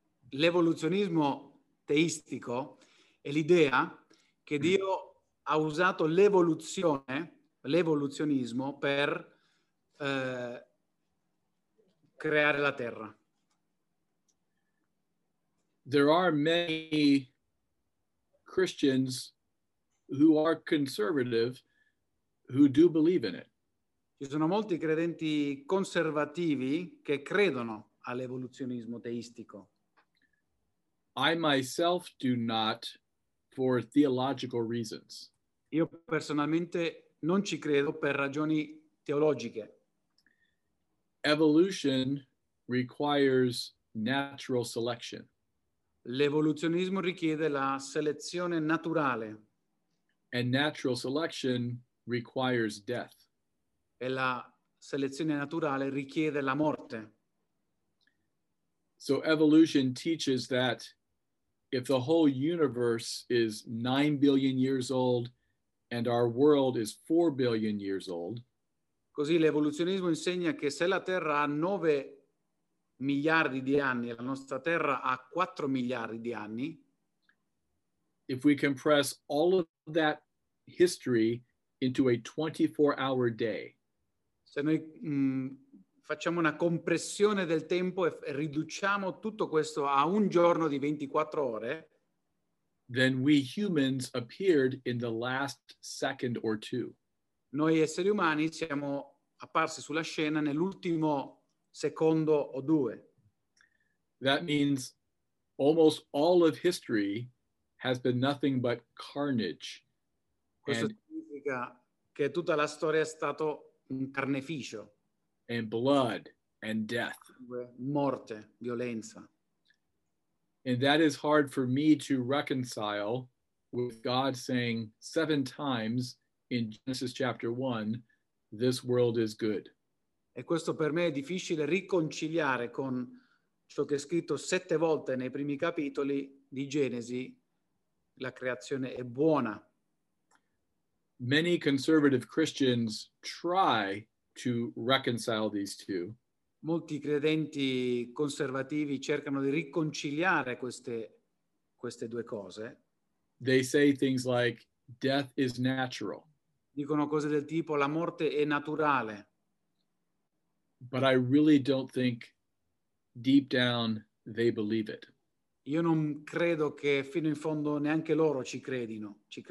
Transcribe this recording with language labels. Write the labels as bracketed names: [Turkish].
[Italian] L'evoluzionismo teistico è l'idea che Dio ha usato l'evoluzionismo per creare la terra. [English] There are many Christians who are conservative who do believe in it. [Italian] Ci sono molti credenti conservativi che credono all'evoluzionismo teistico. [English] I myself do not, for theological reasons. [Italian] Io personalmente non ci credo per ragioni teologiche. [English] Evolution requires natural selection. [Italian] L'evoluzionismo richiede la selezione naturale. [English] And natural selection requires death. [Italian] E la selezione naturale richiede la morte. [English] So evolution teaches that if the whole universe is 9 billion years old and our world is 4 billion years old. [Italian] Così l'evoluzionismo insegna che se la Terra ha 9 miliardi di anni e la nostra Terra ha 4 miliardi di anni, [English] if we compress all of that history into a 24-hour day. [Italian] Se noi facciamo una compressione del tempo e riduciamo tutto questo a un giorno di 24 ore, [English] then we humans appeared in the last second or two. [Italian] Noi esseri umani siamo apparsi sulla scena nell'ultimo secondo o due. [English] That means almost all of history has been nothing but carnage. [Italian] Questo significa che tutta la storia è stato un carneficio. [English] And blood and death. [Italian] Morte, violenza. [English] And that is hard for me to reconcile with God saying 7 times in Genesis chapter 1, this world is good. [Italian] E questo per me è difficile riconciliare con ciò che è scritto 7 volte nei primi capitoli di Genesi, la creazione è buona. [English] Many conservative Christians try to reconcile these two. [Italian] Molti credenti conservativi cercano di riconciliare queste due cose. [English] They say things like death is natural. [Italian] Dicono cose del tipo la morte è naturale. [English] But I really don't think deep down they believe it. [Italian] Io non credo che fino in fondo neanche loro ci credano.